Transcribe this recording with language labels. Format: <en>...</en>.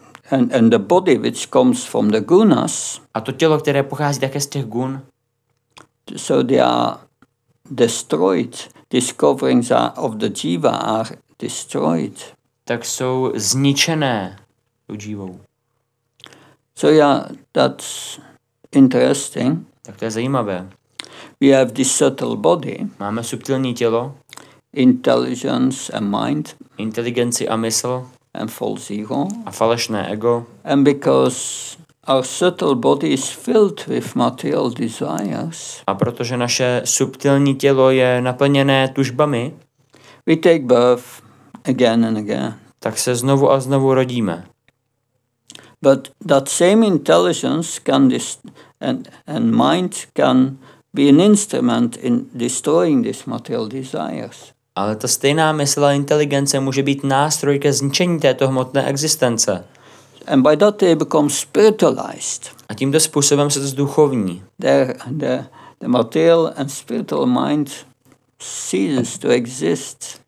<en>and the body which comes from the gunas,</en> <cs>a to tělo, které pochází také z těch gun,</cs> <en>so they are destroyed, these coverings are of the jiva are destroyed,</en> <cs>tak jsou zničené tu jivou.</cs> <en>So yeah, that's interesting.</en> <cs>Tak to je zajímavé.</cs> <en>We have this subtle body.</en> <cs>Máme subtilní tělo.</cs> <en>Intelligence and mind.</en> <cs>Inteligenci a mysl.</cs> <en>And false ego.</en> <cs>A falešné ego.</cs> <en>And because our subtle body is filled with material desires.</en> <cs>A protože naše subtilní tělo je naplněné tužbami.</cs> <en>We take birth again and again.</en> <cs>Tak se znovu a znovu rodíme.</cs> <en>But that same intelligence can and mind can be an instrument in destroying these material desires.</en> <cs>Ale ta stejná mysl a inteligence může být nástroj ke zničení této hmotné existence.</cs> <en>And by that they become spiritualized.</en> <cs>A tímto způsobem se zduchovní.</cs> <en>The material and spiritual mind ceases to exist.</en>